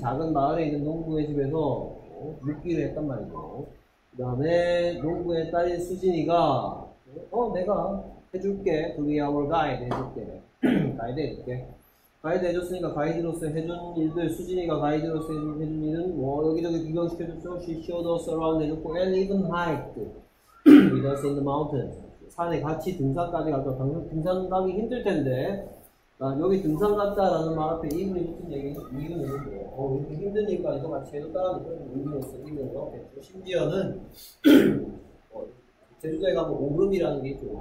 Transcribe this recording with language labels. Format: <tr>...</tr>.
<ko>작은 마을에 있는 농부의 집에서 묵기로 했단 말이죠. 그 다음에 농부의 딸인 수진이가 내가 해줄게.</ko> <en>To be our guide</en> <ko>해줄게. 가이드 해줄게. 가이드 해줬으니까 가이드로서 해준 일들, 수진이가 가이드로서 해준 일은 뭐 여기저기 구경시켜줬죠.</ko> <en>She showed us around</en> <ko>해줬고</ko> <en>and even hiked with us in the mountains.</en> <ko>산에 같이 등산까지 갔죠. 당연히 등산 가기 힘들 텐데 여기 등산 갔다라는 말 앞에 even 해줬던 얘기는 이유는 뭐 이렇게 힘드니까 이거 같이 해줬다라는 그런 의미로 쓰이는 거 같겠죠. 심지어는 제주도에 가면 오름이라는 게 있죠.</ko>